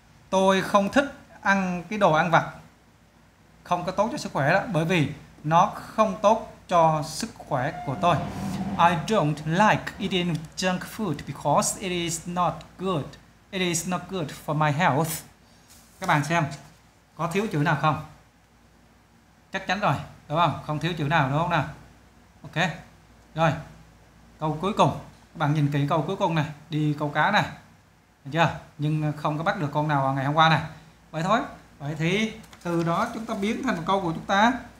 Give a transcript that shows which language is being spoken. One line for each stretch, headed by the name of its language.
Vietnamese: Tôi không thích ăn cái đồ ăn vặt. Không có tốt cho sức khỏe đó, bởi vì nó không tốt cho sức khỏe của tôi.
English: I don't like eating junk food because it is not good. It is not good for my health.
Vietnamese: Các bạn xem có thiếu chữ nào không? Chắc chắn rồi, đúng không? Không thiếu chữ nào đúng không nào? Ok. Rồi. Câu cuối cùng, các bạn nhìn kỹ câu cuối cùng này, đi câu cá này. Được chưa? Nhưng không có bắt được con nào ngày hôm qua này. Vậy thôi. Vậy thì từ đó chúng ta biến thành một câu của chúng ta.